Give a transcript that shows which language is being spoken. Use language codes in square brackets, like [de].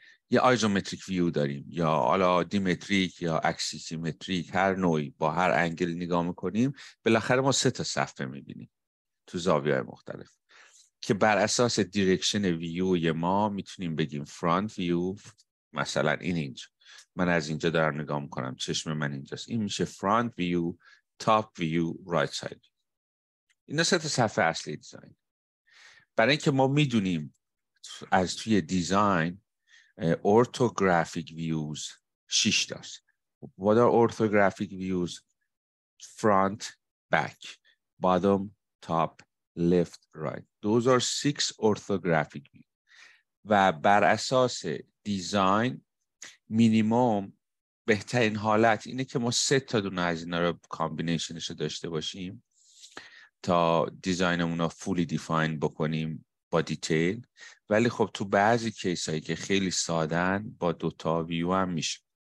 [fa] یه آیزومتریک ویو داریم یا حالا دیمتریک یا اکسیسیمتریک، هر نوعی با هر انگل نگاه میکنیم، بالاخره ما سه تا صفحه میبینیم تو زاویه های مختلف که بر اساس دیرکشن ویو ما میتونیم بگیم فرانت ویو، مثلا این اینجا من از اینجا دارم نگاه میکنم، چشم من اینجاست، این میشه فرانت ویو، تاپ ویو، رایت ساید. اینا سه تا صفحه اصلی دیزاین. برای اینکه ما میدونیم از توی دیزاین اورتوگرافیک ویوز 6 تاست. [en] What are orthographic views? Front, back, bottom, top, left, right. Those are 6 orthographic views. [fa] و بر اساس دیزاین مینیمم بهترین حالت اینه که ما 3 تا دونه از اینا رو کامبینیشنش رو داشته باشیم تا دیزاینمون رو فولی دیفاین بکنیم با دیتیل. ولی خب تو بعضی کیس هایی که خیلی سادن با دوتا ویو هم میشه.